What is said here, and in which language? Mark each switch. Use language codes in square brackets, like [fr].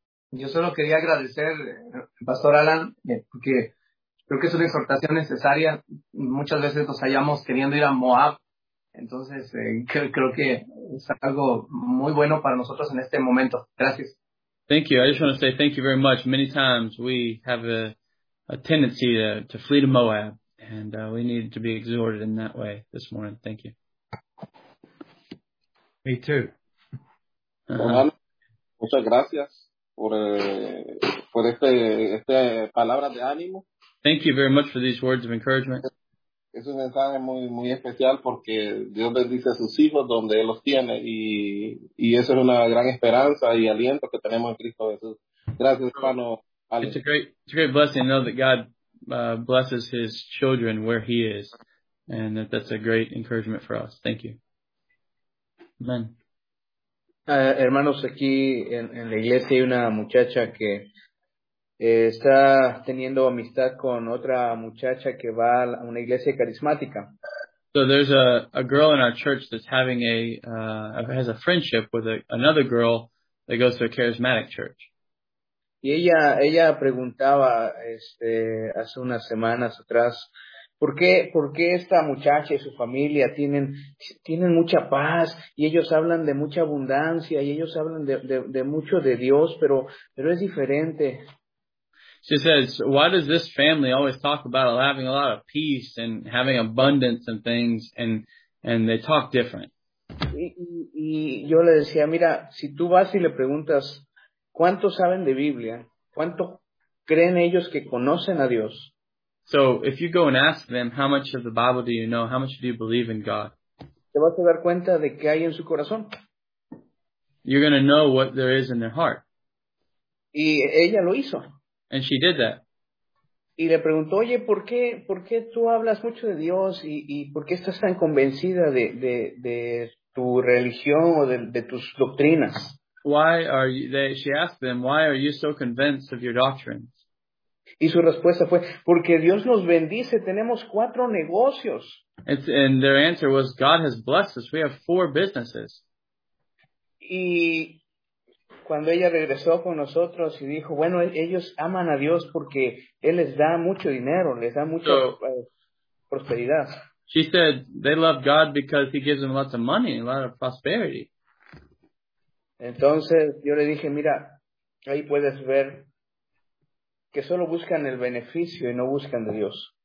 [es] Yo solo quería agradecer, Pastor Alan, porque creo que es una exhortación necesaria. Muchas veces nos hallamos queriendo ir a Moab. Entonces, creo que es algo muy bueno para nosotros en este momento. Gracias. [en] Thank you. I just want to say thank you very much. Many times we have a tendency to flee to Moab, and we need to be exhorted in that way this morning. Thank you. Me too. [es] Uh-huh. Muchas gracias por este palabra de ánimo. [en] Thank you very much for these words of encouragement. [es] Es un mensaje muy, muy especial porque Dios bendice a sus hijos donde Él los tiene y eso es una gran esperanza y aliento que tenemos en Cristo Jesús. Gracias, hermano. [en] It's a great blessing to know that God blesses His children where He is, and that's a great encouragement for us. Thank you. Amen. [es] Hermanos, aquí en la iglesia hay una muchacha que está teniendo amistad con otra muchacha que va a una iglesia carismática. [en] So there's a girl in our church that's having has a friendship with another girl that goes to a charismatic church. [es] Y ella preguntaba hace unas semanas atrás, ¿Por qué esta muchacha y su familia tienen mucha paz y ellos hablan de mucha abundancia y ellos hablan de mucho de Dios, pero es diferente? [en] She says, why does this family always talk about having a lot of peace and having abundance and things, and they talk different? [es] Y yo le decía, mira, si tú vas y le preguntas, ¿cuánto saben de Biblia? ¿Cuánto creen ellos que conocen a Dios? [en] So if you go and ask them, how much of the Bible do you know? How much do you believe in God? [es] Te vas a dar cuenta de qué hay en su corazón. [en] You're going to know what there is in their heart. [es] Y ella lo hizo. [en] And she did that. [es] Y le preguntó, oye, ¿por qué tú hablas mucho de Dios y por qué estás tan convencida de tu religión o de tus doctrinas? [en] Why are you, she asked them, why are you so convinced of your doctrines? [es] Y su respuesta fue, porque Dios nos bendice, tenemos cuatro negocios. [en] And their answer was, God has blessed us, we have four businesses. [es] Y cuando ella regresó con nosotros y dijo, bueno, ellos aman a Dios porque Él les da mucho dinero, les da mucha prosperidad. [en] She said, they love God because He gives them lots of money, a lot of prosperity. [es] Entonces yo le dije, mira, ahí puedes ver que solo buscan el beneficio y no buscan de Dios.